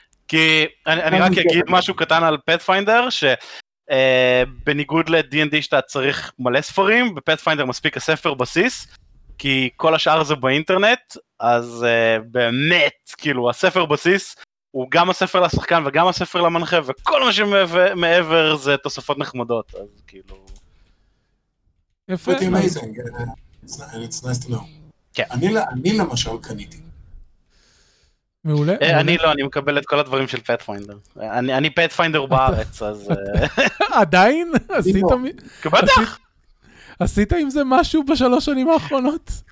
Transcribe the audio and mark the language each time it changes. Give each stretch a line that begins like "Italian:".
Hebrew: כי אני רק אגיד משהו קטן על פאת'פיינדר, שבניגוד ל-D&D שאתה צריך מלא ספרים, בפאת'פיינדר מספיק הספר בסיס, כי כל השאר זה באינטרנט, אז באמת, כאילו, הספר בסיס, הוא גם הספר לשחקן וגם הספר למנחה, וכל מה שמעבר זה תוספות נחמדות, אז כאילו... יפה.
English: It's amazing, it's nice to know.
Hebrew: כן. אני למשל קניתי. מעולה. אני לא, אני מקבל את כל הדברים של פאת'פיינדר. אני פאת'פיינדר בארץ, אז... עדיין? עשית... בטח! עשית עם זה משהו בשלוש שנים האחרונות?